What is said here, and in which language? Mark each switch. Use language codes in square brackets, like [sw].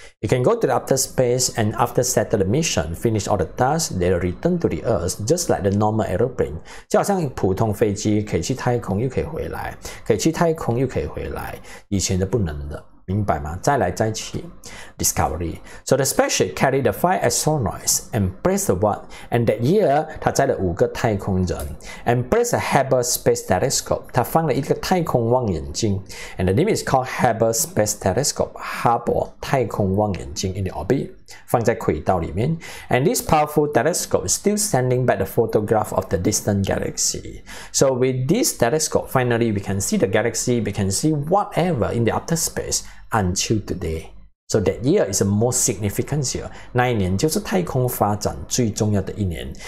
[en] You can go to the outer space and after settle the mission, finish all the tasks, they'll return to the Earth, just like the normal aeroplane. [zh] 就好像普通飞机可以去太空又可以回来, 可以去太空又可以回来, 以前的不能的。明白吗？再来再去 Discovery. [en] So the spaceship carried the 5 astronauts and placed one. And that year, [zh] 它载了五个太空人 [en] and placed a Hubble space telescope. [zh] 它放了一个太空望远镜 [en] and the name is called Hubble space telescope. Hubble [zh] 太空望远镜 [en] in the orbit. [zh] 放在轨道里面 [en] and this powerful telescope is still sending back the photograph of the distant galaxy. So with this telescope, finally we can see the galaxy, we can see whatever in the outer space until today. So that year is the most significant year. [zh] 那一年就是太空发展最重要的一年。